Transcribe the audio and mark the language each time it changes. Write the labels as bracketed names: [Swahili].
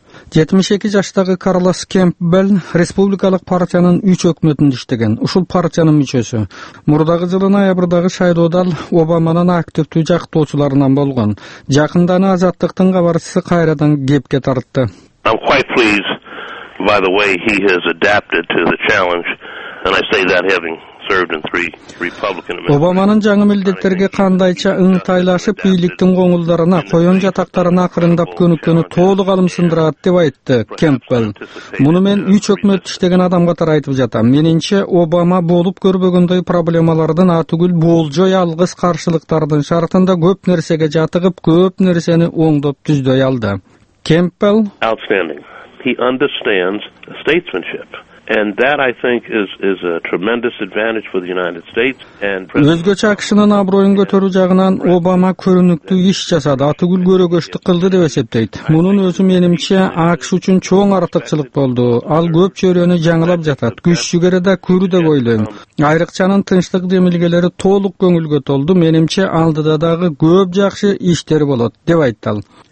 [Kyrgyz] 72 жаштагы Карлос Кэмпбелл республикалык партиянын 3 өкмөтүндө иштеген. Ушул партиянын мүчөсү. Мурдагы жылдын ноябрындагы шайлоодо Обаманын активдүү жактоочуларынан болгон. Жакында аны Азаттыктын кабарчысы кайрадан кепке тартты. [English] I'm quite pleased by the way he has adapted to the challenge and I say that having [Kyrgyz] Обаманын жаңы милдеттерге кандайча ыңтайлашып бийликтин коңулдарына, коюн жатактарына акырындап көнүккөнү толук алымсындырат деп айтты Кэмпбелл. Муну мен 3 өкмөт иштеген адам катары айтып жатам. Менинче Обама болуп көрбөгөндөй проблемалардын атүгүл болжой алгыс каршылыктардын шартында көп нерсеге жатыгып, көп нерсени оңдоп түздөй алды. Кэмпбелл [English] outstanding. He understands statesmanship. And that I think is a tremendous advantage for the United States and [Kyrgyz] өзгөчө акшынын аброюн көтөрүү жагынан Обама көрүнүктүү иш жасады, атүгүл көрөгөштүк кылды деп эсептейт. Мунун өзү менимче АКШ үчүн чоң артыкчылык болду. Ал көп чөйрөнү жаңылап жатат. Күч жүгөрү да күрү деп ойлойм. Айрыкчанын тынчтык демилгелери толук көңүлгө толду. Менимче алдыда дагы көп жакшы иштер болот деп айтты ал.